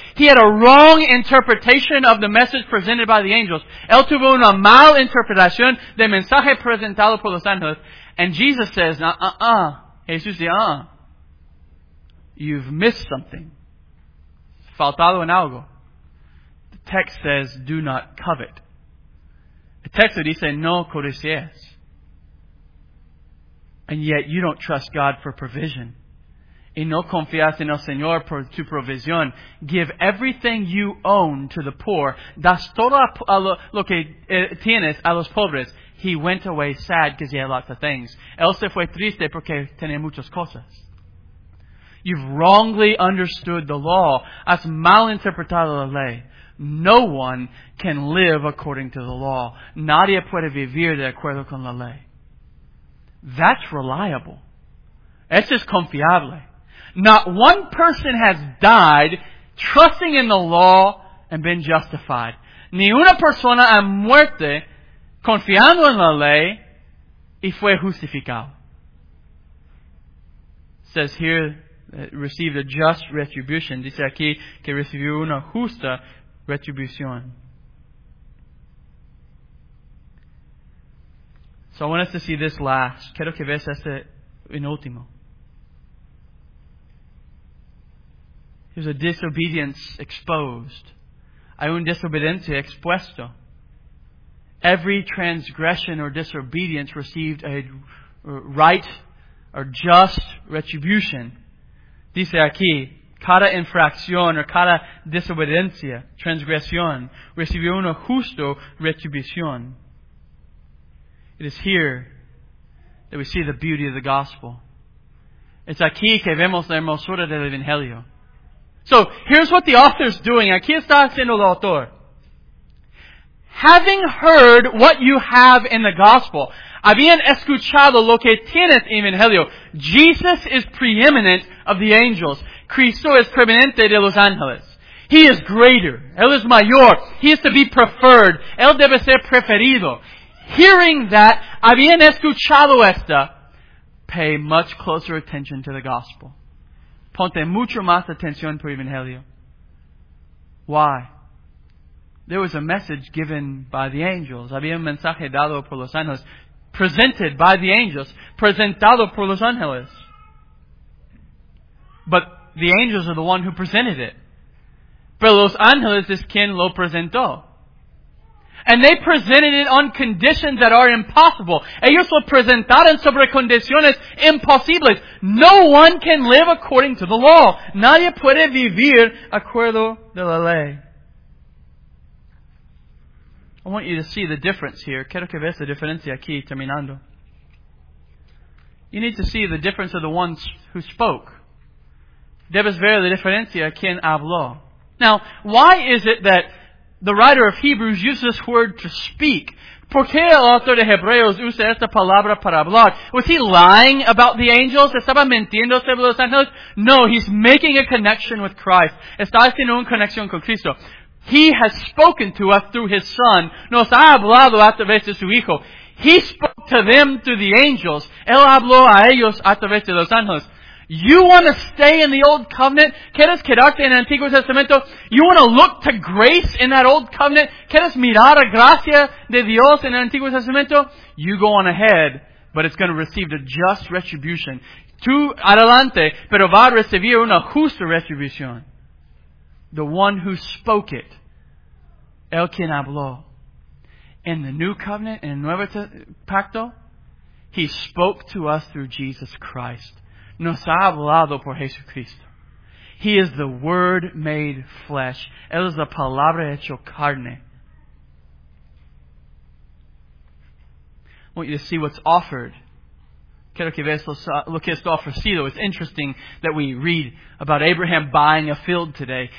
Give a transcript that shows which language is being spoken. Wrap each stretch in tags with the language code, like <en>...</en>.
<en>He had a wrong interpretation of the message presented by the angels.</en> <es>Él tuvo una mal interpretación del mensaje presentado por los ángeles.</es> <en>And Jesus says,</en> <es>Jesús dice,</es> <en>You've missed something.</en> <es>Faltado en algo.</es> <en>The text says, do not covet. The text</en> <es>dice, no codicies.</es> <en>And yet, you don't trust God for provision.</en> <es>Y no confías en el Señor por tu provisión.</es> <en>Give everything you own to the poor.</en> <es>Das todo lo que tienes a los pobres.</es> <en>He went away sad because he had lots of things.</en> <es>Él se fue triste porque tenía muchas cosas.</es> <en>You've wrongly understood the law.</en> <es>Has mal interpretado la ley.</es> <en>No one can live according to the law.</en> <es>Nadie puede vivir de acuerdo con la ley.</es> <en>That's reliable.</en> <es>Es just confiable.</es> <en>Not one person has died trusting in the law and been justified.</en> <es>Ni una persona ha muerto confiando en la ley y fue justificado.</es> <en>It says here, received a just retribution.</en> <es>Dice aquí que recibió una justa retribución.</es> <en>So I want us to see this last.</en> <es>Quiero que veas este en último.</es> <en>There's a disobedience exposed.</en> <es>Hay un desobediencia expuesto.</es> <en>Every transgression or disobedience received a right or just retribution.</en> <es>Dice aquí, cada infracción or cada desobediencia, transgresión, recibió una justa retribución.</es> <en>It is here that we see the beauty of the gospel.</en> <es>It's aquí que vemos la hermosura del evangelio.</es> <en>So, here's what the author's doing.</en> <es>Aquí está haciendo el autor.</es> <en>Having heard what you have in the gospel,</en> <es>habían escuchado lo que tienes en el evangelio.</es> <en>Jesus is preeminent of the angels.</en> <es>Cristo es preeminente de los ángeles.</es> <en>He is greater.</en> <es>Él es mayor.</es> <en>He is to be preferred.</en> <es>Él debe ser preferido.</es> <en>Hearing that,</en> <es>habían escuchado esta,</es> <en>pay much closer attention to the gospel.</en> <es>Ponte mucho más atención por el Evangelio.</es> <en>Why? There was a message given by the angels.</en> <es>Había un mensaje dado por los ángeles.</es> <en>Presented by the angels.</en> <es>Presentado por los ángeles.</es> <en>But the angels are the one who presented it.</en> <es>Pero los ángeles es quien lo presentó.</es> <en>And they presented it on conditions that are impossible.</en> <es>Ellos lo presentaron sobre condiciones imposibles.</es> <en>No one can live according to the law.</en> <es>Nadie puede vivir acuerdo de la ley.</es> <en>I want you to see the difference here.</en> <es>Quiero que veas la diferencia aquí, terminando.</es> <en>You need to see the difference of the ones who spoke.</en> <es>Debes ver la diferencia quien habló.</es> <en>Now, why is it that the writer of Hebrews uses this word to speak?</en> <es>¿Por qué el autor de Hebreos usa esta palabra para hablar?</es> <en>Was he lying about the angels?</en> <es>¿Estaba mintiendo sobre los ángeles?</es> <en>No, he's making a connection with Christ.</en> <es>Está haciendo una conexión con Cristo.</es> <en>He has spoken to us through His Son.</en> <es>Nos ha hablado a través de su Hijo.</es> <en>He spoke to them through the angels.</en> <es>Él habló a ellos a través de los ángeles.</es> <en>You want to stay in the Old Covenant?</en> <es>¿Quieres quedarte en el Antiguo Testamento?</es> <en>You want to look to grace in that Old Covenant?</en> <es>¿Quieres mirar a gracia de Dios en el Antiguo Testamento?</es> <en>You go on ahead, but it's going to receive the just retribution.</en> <es>Tú adelante, pero va a recibir una justa retribución.</es> <en>The one who spoke it.</en> <es>El quien habló.</es> <en>In the New Covenant, in the Nuevo Pacto, He spoke to us through Jesus Christ.</en> <es>Nos ha hablado por Jesucristo.</es> <en>He is the Word made flesh.</en> <es>Él es la palabra hecho carne.</es> <en>I want you to see what's offered.</en> <es>Quiero que veas lo que está ofrecido.</es> <en>It's interesting that we read about Abraham buying a field today.</en>